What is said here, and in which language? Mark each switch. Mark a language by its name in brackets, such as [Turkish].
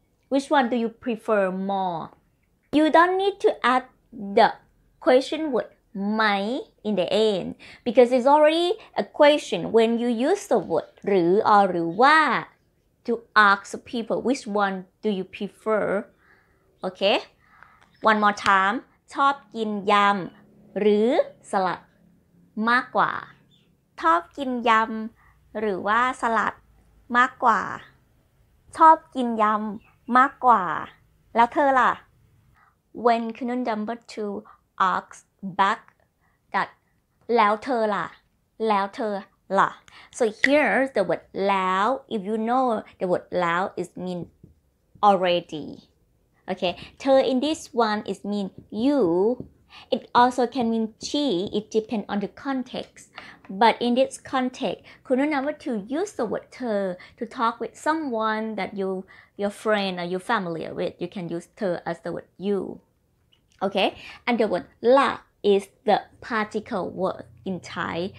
[English] Which one do you prefer more? You don't need to add the question word mai in the end because it's already a question when you use the word หรือ or หรือว่า to ask people which one do you prefer. Okay, one more time. [Thai] ชอบกินยำหรือสลัดมากกว่าชอบกินยำหรือว่าสลัดมากกว่า ชอบกินยำมากกว่าแล้วเธอล่ะ [English] When Canon number 2 asks back that [Thai] แล้วเธอล่ะแล้วเธอล่ะ [English] So here's the word แล้ว If you know the word แล้ว is mean already Okay, เธอ in this one is mean you. It also can mean she. It depends on the context. But in this context, Kuno number two use the word เธอ to talk with someone that you, your friend or you're familiar with. You can use เธอ as the word you. Okay, and the word la is the particle word in Thai.